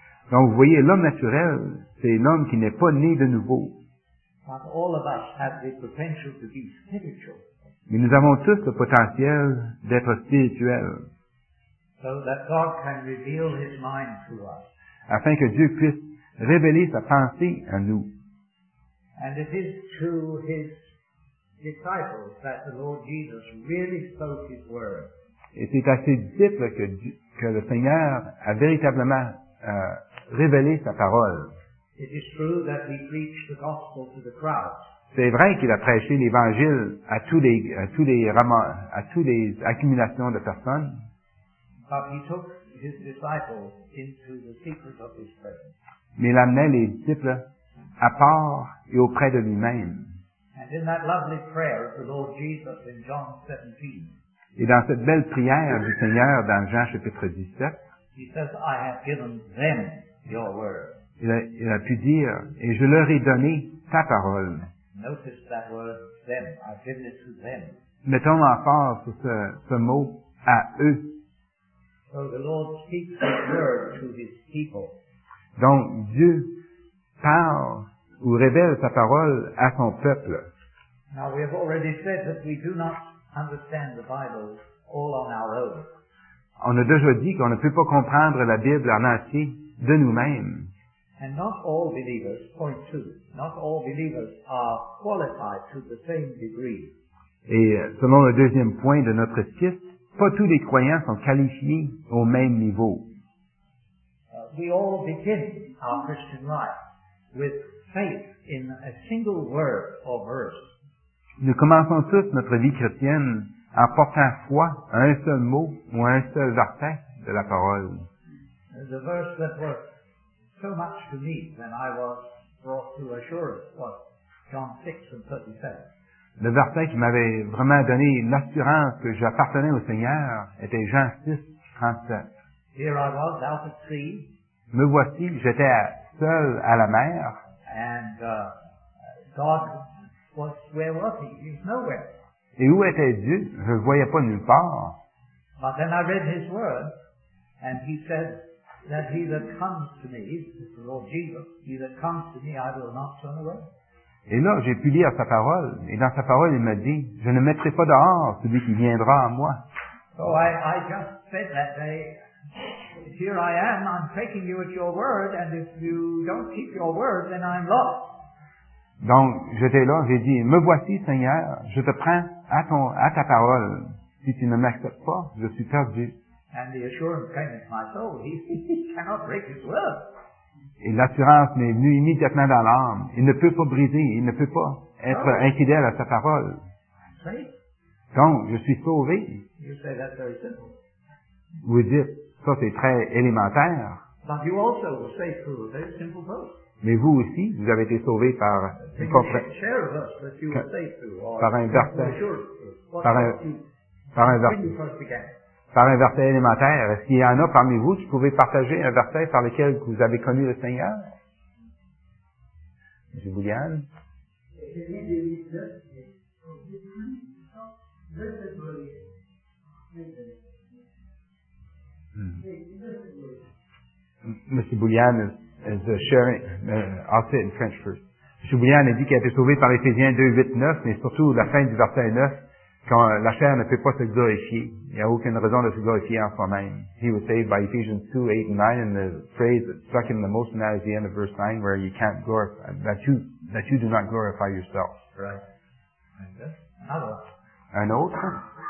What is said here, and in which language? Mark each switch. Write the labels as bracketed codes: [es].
[fr] Donc, vous voyez, l'homme naturel, c'est l'homme qui n'est pas né de nouveau. [en] But all of us have the potential to be spiritual. [fr] Mais nous avons tous le potentiel d'être spirituels. [en] So that God can reveal His mind to us. [fr] Afin que Dieu puisse révéler sa pensée à nous. [en] And it is to His disciples that the Lord Jesus really spoke His word. [fr] Et c'est à ses disciples que le Seigneur a véritablement révélé sa parole. [en] It is true that he preached the gospel to the crowds. [fr] C'est vrai qu'il a prêché l'évangile à toutes les accumulations de personnes. [en] But he took his disciples into the secret of his presence. [fr] Mais il amenait les disciples à part et auprès de lui-même. [en] And in that lovely prayer of the Lord Jesus in John 17. [fr] Et dans cette belle prière du Seigneur dans Jean chapitre 17. [en] He says, "I have given them your word." [fr] Il a pu dire, et je leur ai donné ta parole. [en] Notice that word, them. I've given it to them. [fr] Mettons en phase sur ce mot, à eux. [en] So the Lord speaks his word to his people. [fr] Donc, Dieu parle ou révèle sa parole à son peuple. [en] Now we have already said that we do not understand the Bible all on our own. [fr] On a déjà dit qu'on ne peut pas comprendre la Bible en entier de nous-mêmes. [en] And not all believers, point two, not all believers are qualified to the same degree. [fr] Et selon le deuxième point de notre esquisse, pas tous les croyants sont qualifiés au même niveau. [en] We all begin our Christian life with faith in a single word or verse. [fr] Nous commençons tous notre vie chrétienne en portant foi à un seul mot ou à un seul verset de la parole. [en] The verse that was so much to me when I was brought to assurance was John 6 and 37. [fr] Le verset qui m'avait vraiment donné l'assurance que j'appartenais au Seigneur était Jean 6, 37. [en] Here I was, out at sea. [fr] Me voici, j'étais seul à la mer. [en] And God was, where was he? He was nowhere. [fr] Et où était Dieu? Je ne le voyais pas nulle part. [en] But then I read his word, and he said that he that comes to me, the Lord Jesus, he that comes to me, I will not turn away. [fr] Et là, j'ai pu lire sa parole, et dans sa parole, il m'a dit, je ne mettrai pas dehors celui qui viendra à moi. [en] Oh, I just said that day, here I am, I'm taking you at your word, and if you don't keep your word, then I'm lost. [fr] Donc, j'étais là, j'ai dit, me voici, Seigneur, je te prends à ta parole. Si tu ne m'acceptes pas, je suis perdu. [en] And the assurance came into my soul, he cannot break his word. [fr] Et l'assurance m'est venue immédiatement dans l'âme. Il ne peut pas briser, il ne peut pas être infidèle à sa parole. Donc, je suis sauvé. [en] You say that very simple. [fr] Vous dites, ça c'est très élémentaire. [en] But you also were saved through a very simple verse. [fr] Mais vous aussi, vous avez été sauvé par, par un verset élémentaire. Est-ce qu'il y en a parmi vous qui pouvez partager un verset par lequel vous avez connu le Seigneur? Je vous gagne. [en] Monsieur Boulian is sharing, I'll say it in French first. [fr] Monsieur Boulian a dit qu'il a été sauvé par Éphésiens 2, 8, 9, mais surtout la fin du verset 9. Quand la chair ne peut pas se glorifier, il n'y a aucune raison de se glorifier en soi-même. [en] He was saved by Ephesians 2, 8 and 9, and the phrase that struck him the most in that is the end of verse 9, where you can't glorify, that you do not glorify yourself. Right. Another one. [fr] Un autre?